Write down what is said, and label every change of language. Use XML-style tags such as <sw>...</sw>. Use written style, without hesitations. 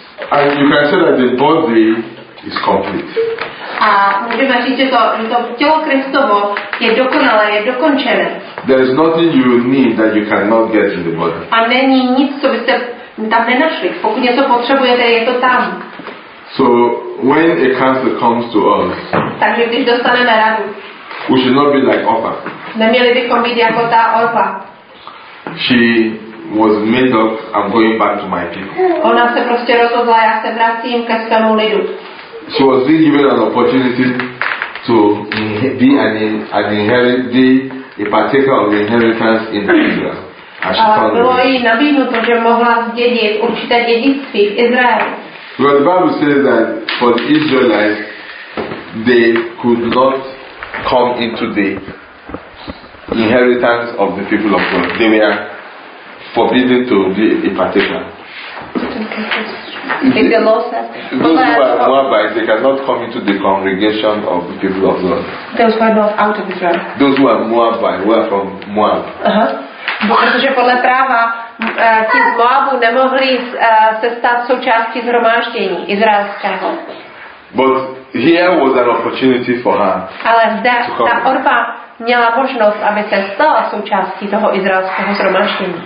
<en>And you can say that the body is complete.</en> <cs>A můžeme říct, že to tělo Kristovo je dokonalé, je dokončené.</cs> <en>There is nothing you need that you cannot get in the body.</en> <cs>A není nic, co byste tam nenašli. Pokud něco potřebujete, je to tam.</cs> <en>So when a counselor comes to us.</en> <cs>Takže když dostaneme radu.</cs> <en>We should not be like Orpa.</en> <cs>Neměli bychom být jako ta Orpa.</cs> <en>She was made up, I'm going back to my people.</en> <cs>Ona se prostě rozhodla, já se vracím ke svému lidu.</cs> <en>She was being given an opportunity to be an inherit, be a partaker of the inheritance in Israel.</en> <cs>Bylo jí nabídnuto, že mohla zdědit určité dědictví v Izraeli.</cs> <en>Because the Bible says that for the Israelites, they could not come into the inheritance of the people of God. They were forbidden to be a partaker. Those who are Moabites, they cannot come into the congregation of the people of God. Those who are not out of Israel. Those who are Moabites, who are from Moab.</en> <cs>Protože podle práva ti z Moabu nemohli se stát součástí zhromáždění izraelského.</cs> <en>But here was an opportunity for her.</en> <cs>Ale zde ta Orpa měla možnost, aby se stala součástí toho izraelského zhromáždění.</cs>